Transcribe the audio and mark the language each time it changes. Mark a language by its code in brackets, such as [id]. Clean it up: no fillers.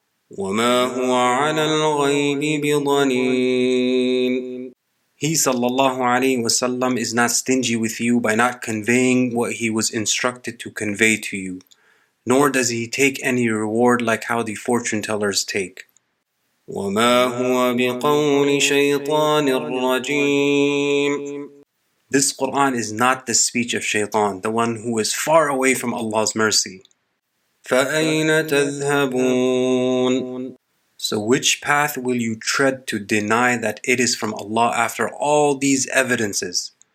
[ar] وما هو على الغيب بضنين. [en] He sallallahu alayhi wa sallam is not stingy with you by not conveying what he was instructed to convey to you, nor does he take any reward like how the fortune tellers take. [ar] وما هو بقول شيطان الرجيم. [en] This Quran is not the speech of Shaytan, the one who is far away from Allah's mercy. [ar] فأين تذهبون. [en] So which path will you tread to deny that it is from Allah after all these evidences?